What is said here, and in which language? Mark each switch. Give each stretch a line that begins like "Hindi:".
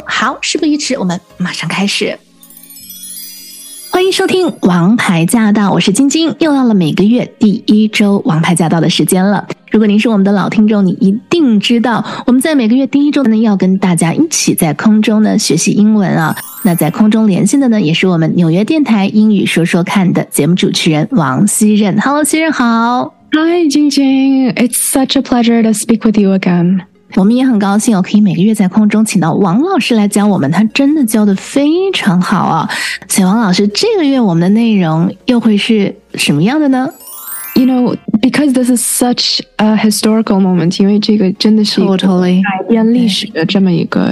Chinese: 好事不宜迟我们马上开始欢迎收听王牌驾到我是晶晶又到了每个月第一周王牌驾到的时间了如果您是我们的老听众你一定知道我们在每个月第一周呢要跟大家一起在空中呢学习英文啊那在空中连线的呢也是我们纽约电台英语说说看的节目主持人王熙韌 Hello 熙韌好
English: Hi 晶晶 It's such a pleasure to speak with you again
Chinese: 我们也很高兴、哦、可以每个月在空中请到王老师来教我们他真的教得非常好啊所以王老师这个月我们的内容又会是什么样的呢 You know, because this is such a historical moment 因为这个真的是一个改变历史的这么一个、